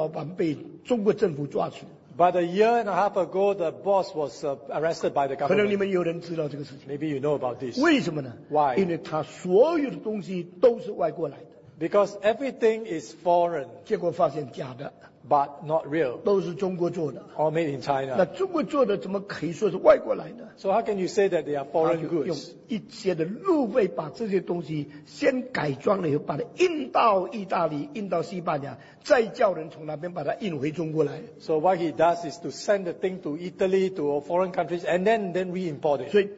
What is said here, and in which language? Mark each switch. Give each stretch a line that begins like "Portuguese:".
Chinese: 1.5年前我看到报纸，这个公司的老板被中国政府抓去。
English: But a year and a half ago, the boss was arrested by the government.
Chinese: 可能你们有人知道这个事情。
English: Maybe you know about this.
Chinese: 为什么呢？
English: Why?
Chinese: 因为他所有的东西都是外国来的。Because
English: everything is foreign.
Chinese: 结果发现假的。
English: But not real.
Chinese: 都是中国做的,
English: all made in China.
Chinese: 那中国做的怎么可以说是外国来的?
English: So how can you say that they are foreign goods?
Chinese: 用一些的路费把这些东西先改装了以后把它印到意大利印到西班牙再叫人从那边把它印回中国来。
English: So what he does is to send the thing to Italy to foreign countries and then re-import it.